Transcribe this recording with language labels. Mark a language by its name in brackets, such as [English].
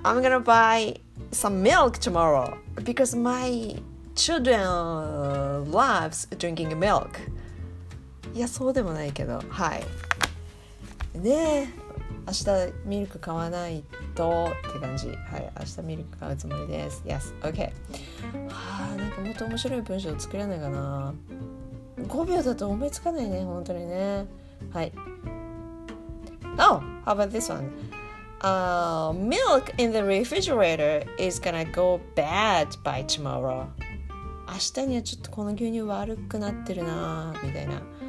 [English] I'm gonna buy some milk tomorrow because my children loves drinking milk. [Japanese] いや、そうでもないけど、はい。ね、明日ミルク買わないとって感じ。はい、明日ミルク買うつもりです。 [English] Yes, OK. [Japanese] はあ、なんかもっと面白い文章作れないかな。5秒だと思いつかないね、本当にね。はい。 [English] Oh, how about this one? Milk in the refrigerator is gonna go bad by tomorrow. [Japanese] 明日にはちょっとこの牛乳悪くなってるなみたいな。